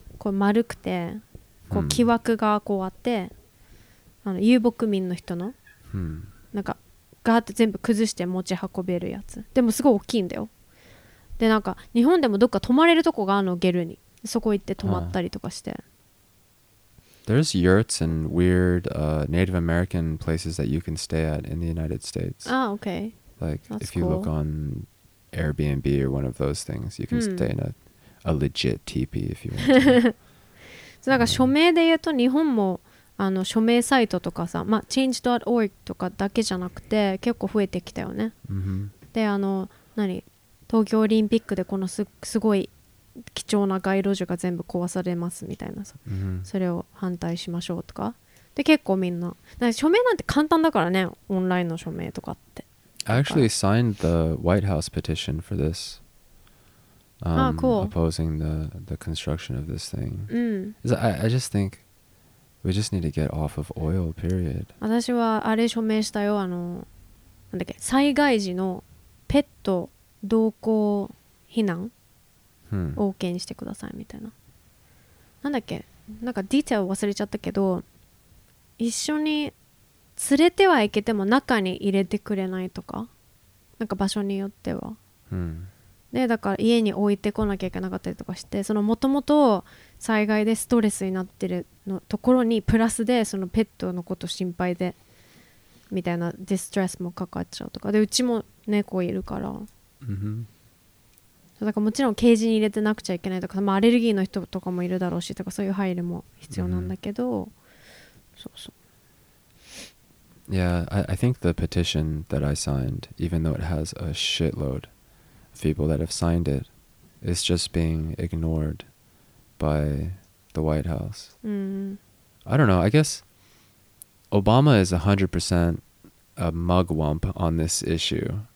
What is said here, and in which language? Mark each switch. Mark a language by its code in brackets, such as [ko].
[ja] こう丸くて、こう木枠がこうあって、遊牧民の人の、なんかガーって全部崩して持ち運べるやつ。でもすごい大きいんだよ。でなんか日本でもどっか泊まれるとこがあるのゲルに、そこ行って泊まったりとかして。 [en] There's yurts and weird Native American places that you can stay at in the United States. Ah, okay. Like if you look on Airbnb or one of those things, you can stay in a legit teepee if you want to. [ja] なんか署名で言うと日本も署名サイトとかさ、まあ change.org とかだけじゃなくて結構増えてきたよね。で何東京オリンピックでこの すごい貴重な街路樹が全部壊されますみたいなさ、それを反対しましょうとかで結構みんな、なんか署名なんて簡単だからね、オンラインの署名とかって。 [en] I actually signed the White House petition for this. Cool. Opposing the construction of this thing. I just think we just need to get off of oil, period. [ja] 私はあれ署名したよ、なんだっけ、災害時のペット同行避難を OK にしてくださいみたいな。なんだっけ、なんかディテール忘れちゃったけど、一緒に連れてはいけても中に入れてくれないとか、なんか場所によっては、でだから家に置いてこなきゃいけなかったりとかして、そのもともと災害でストレスになってるのところにプラスでそのペットのこと心配でみたいなディストレスもかかっちゃうとかで、うちも猫いるから、だからもちろんケージに入れてなくちゃいけないとか、まあ、アレルギーの人とかもいるだろうしとか、そういう配慮も必要なんだけど、そうそう。 [en] Yeah, I think the petition that I signed, even though it has a shitload of people that have signed it, is just being ignored by the White House. I don't know, I guess Obama is 100% a mugwump on this issue.